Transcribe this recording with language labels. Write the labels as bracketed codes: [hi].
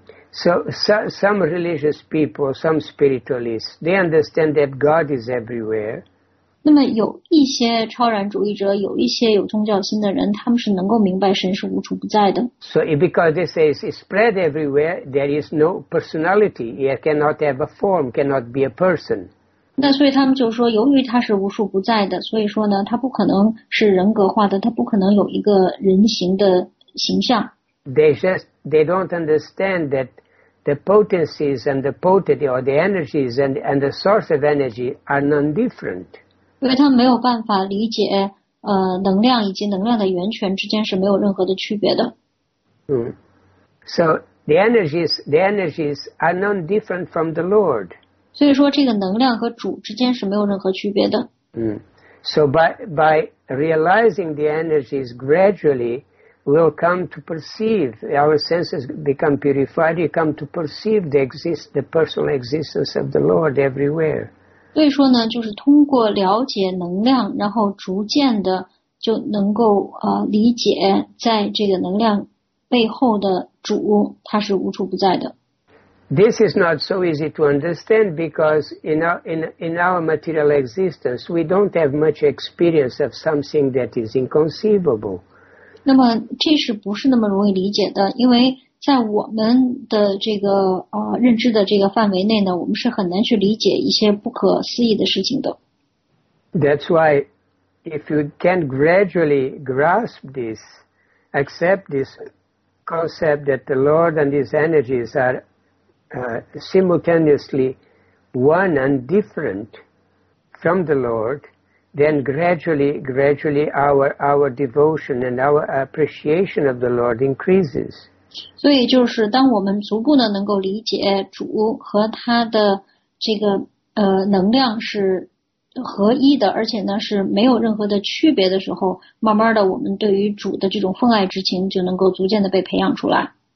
[en] So some religious people, some spiritualists, they understand that God is everywhere. [zh] 那么有一些超然主义者，有一些有宗教心的人，他们是能够明白神是无处不在的。 [en] So because they say it's spread everywhere, there is no personality, he cannot have a form, cannot be a person. [zh] 那所以他们就说，由于他是无处不在的，所以说呢，他不可能是人格化的，他不可能有一个人形的形象。 [en] They don't understand that the potencies and the potency or the energies and the source of energy are none different. [zh] 因为他们没有办法理解能量以及能量的源泉之间是没有任何的区别的。 [en] So the energies are none different from the Lord. [zh] 所以说这个能量和主之间是没有任何区别的。 [en] So by realizing the energies gradually,We'll come to perceive, our senses become purified, you come to perceive the personal existence of the Lord everywhere. [zh] 所以说呢，就是通过了解能量，然后逐渐的就能够理解在这个能量背后的主，他是无处不在的。 [en] This is not so easy to understand because in our material existence, we don't have much experience of something that is inconceivable. [zh] 那么这是不是那么容易理解的？因为在我们的这个认知的这个范围内呢，我们是很难去理解一些不可思议的事情的。 [en] That's why, if you can gradually grasp this, accept this concept that the Lord and His energies are simultaneously one and different from the Lord, then gradually our devotion and our appreciation of the Lord increases. [zh] 所以就是当我们逐步的能够理解主和他的这个能量是合一的，而且呢是没有任何的区别的时候，慢慢的我们对于主的这种奉爱之情就能够逐渐的被培养出来。